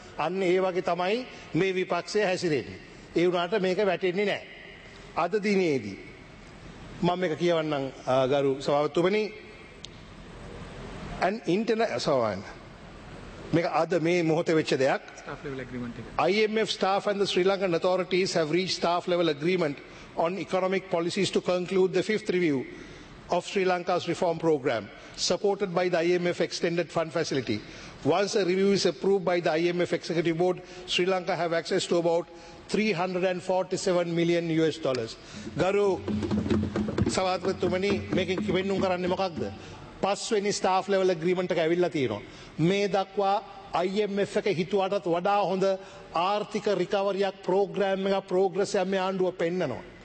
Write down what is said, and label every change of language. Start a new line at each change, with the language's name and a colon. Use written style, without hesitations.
Sinhala: අන්න ඒ වගේ තමයි මේ විපක්ෂය හැසිරෙන්නේ. ඒ වුණාට මේක වැටෙන්නේ නැහැ. අද දිනේදී මම මේක කියවන්නම් ගරු සභාපතිතුමනි.
English: an internet
Sinhala: sawan මේක අද මේ මොහොතේ වෙච්ච දෙයක්.
English: staff level agreement IMF staff and the Sri Lankan authorities have reached staff level agreement on economic policies to conclude the fifth review of Sri Lanka's reform program supported by the IMF extended fund facility. Once a review is approved by the IMF executive board, Sri Lanka have access to about $347 million.
Sinhala: garu sabhapathitumani meken kiwennum karanne mokakda පස්වෙනි staff level agreement එක ඇවිල්ලා තියෙනවා. මේ දක්වා IMF එක හිතුවටත් වඩා හොඳ ආර්ථික රිකවරියක් ප්‍රෝග්‍රෑම් එකක් ප්‍රෝග්‍රස් එකක් මේ ආණ්ඩුව පෙන්නනවා.